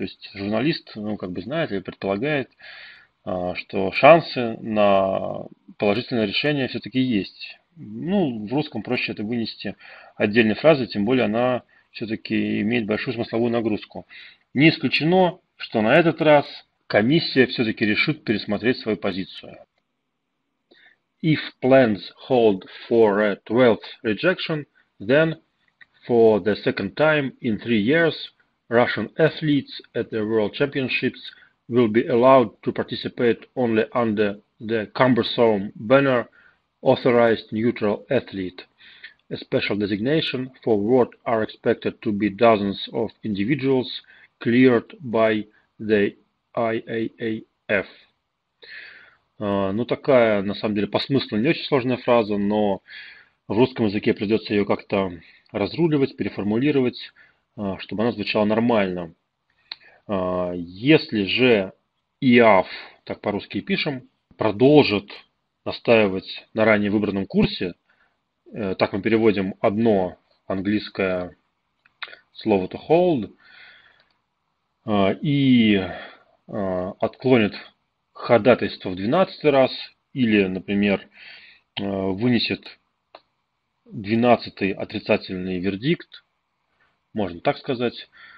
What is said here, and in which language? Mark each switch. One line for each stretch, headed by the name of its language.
Russian: То есть журналист, ну, как бы знает или предполагает, что шансы на положительное решение все-таки есть. Ну, в русском проще это вынести отдельной фразой, тем более она все-таки имеет большую смысловую нагрузку. Не исключено, что на этот раз комиссия все-таки решит пересмотреть свою позицию.
English: If plans hold for a 12th rejection, then for the second time in 3 years, Russian athletes at the World Championships will be allowed to participate only under the cumbersome banner authorized neutral athlete, a special designation for what are expected to be dozens of individuals cleared by the IAAF.
Russian: Ну, такая, на самом деле, по смыслу не очень сложная фраза, но в русском языке придется ее как-то разруливать, переформулировать, чтобы она звучала нормально. Если же ИАФ, так по-русски и пишем, продолжит настаивать на ранее выбранном курсе, так мы переводим одно английское слово
English: to hold,
Russian: и отклонит ходатайство в 12 раз, или, например, вынесет 12-й отрицательный вердикт, можно так сказать.